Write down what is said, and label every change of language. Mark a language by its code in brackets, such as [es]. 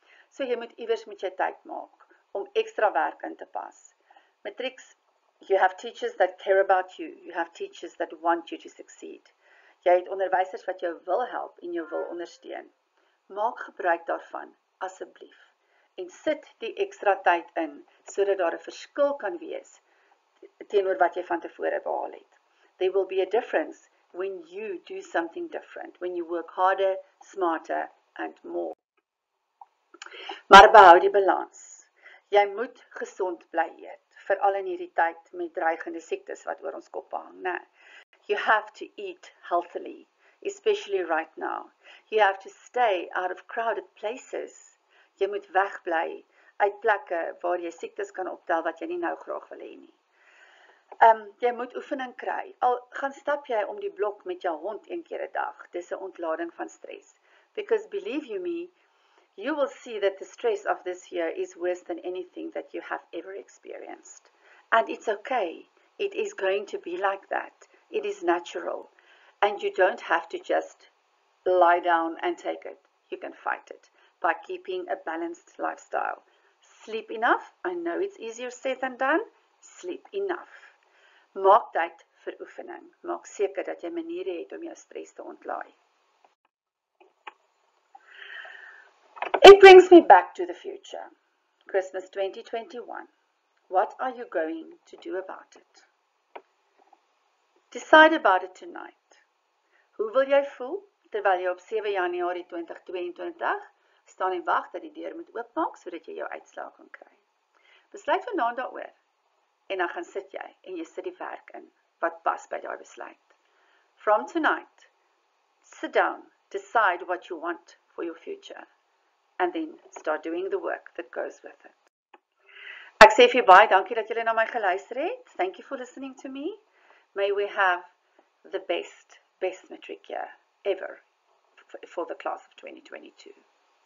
[af] So jy moet iewers met jou tyd maak om extra werk in te pas. [en] Matrix, you have teachers that care about you. You have teachers that want you to succeed. [af] Jy het onderwysers wat jou wil help en jou wil ondersteun. Maak gebruik daarvan, asseblief. En sit die ekstra tyd in, sodat daar 'n verskil kan wees teenoor wat jy van tevore behaal het. [en] There will be a difference when you do something different, when you work harder, smarter and more. [af] Maar behou die balans. Jy moet gesond bly eet, veral in hierdie tyd met dreigende siektes wat oor ons kop hang, né? [en] You have to eat healthily, especially right now. You have to stay out of crowded places. [af] Jy moet wegbly uit plekke waar jy siektes kan optel wat jy nie nou graag wil hê nie. Jy moet oefening kry. Al gaan stap jy om die blok met jou hond een keer 'n dag. Dis 'n ontlading van stres. [en] Because believe you me, you will see that the stress of this year is worse than anything that you have ever experienced. And it's okay. It is going to be like that. It is natural, and you don't have to just lie down and take it. You can fight it by keeping a balanced lifestyle. Sleep enough. I know it's easier said than done. Sleep enough. [af] Maak tyd vir oefening. Maak seker dat jy maniere het om jou stres te ontlaai. [en] It brings me back to the future. Christmas 2021. What are you going to do about it? Decide about it tonight. [af] Hoe wil jy voel terwyl jy op 7 Januarie 2022 staan en wag dat die deur moet oopmaak sodat jy jou uitslaag kan kry? Besluit vanaand daaroor en dan gaan sit jy en jy sit die werk in wat pas by daai besluit. [en] From tonight, sit down, decide what you want for your future and then start doing the work that goes with it. [af] Ek sê vir jou baie dankie dat julle na my geluister het. [en] Thank you for listening to me. May we have the best matric year ever for the class of 2022.